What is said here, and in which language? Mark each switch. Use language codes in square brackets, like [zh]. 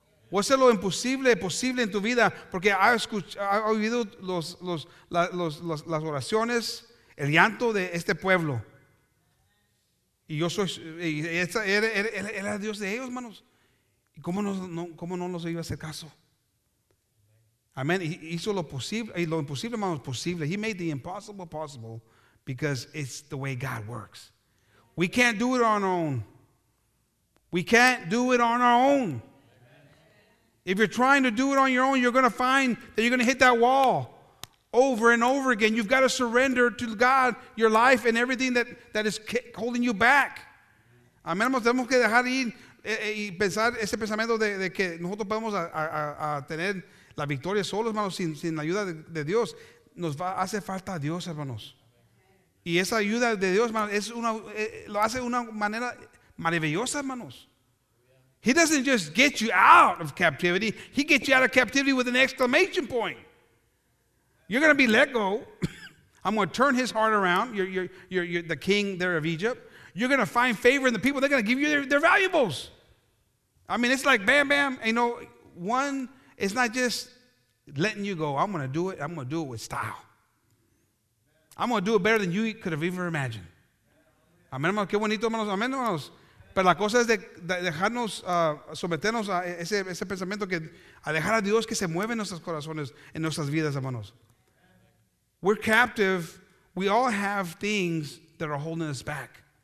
[es] Voy a hacer lo imposible posible en tu vida, porque ha oído las oraciones, el llanto de este pueblo. Y yo soy, era Dios de ellos, hermanos. ¿Y cómo no nos iba a hacer caso? Amén. Hizo lo posible, y lo imposible, hermanos, posible. [en] He made the impossible possible because it's the way God works. We can't do it on our own. We can't do it on our own. If you're trying to do it on your own, you're going to find that you're going to hit that wall over and over again. You've got to surrender to God your life and everything that is holding you back. [es] Amén. Tenemos que dejar ir y pensar ese pensamiento de que nosotros podemos a tener la victoria solos, hermanos, sin la ayuda de Dios. Nos va, hace falta a Dios, hermanos. Y esa ayuda de Dios, hermanos, lo hace de una manera maravillosa, hermanos. [en] He doesn't just get you out of captivity. He gets you out of captivity with an exclamation point. You're going to be let go. I'm going to turn his heart around. You're the king there of Egypt. You're going to find favor in the people. They're going to give you their valuables. I mean, it's like bam, bam. You know, one, it's not just letting you go. I'm going to do it. I'm going to do it with style. I'm going to do it better than you could have even imagined. [es] Amén, hermanos. Qué bonito, hermanos. Amén, hermanos. Pero la cosa es de dejarnos, someternos a ese pensamiento, que a dejar a Dios que se mueva en nuestros corazones, en nuestras vidas, hermanos. [en] We're captive. We all have things that are holding us back.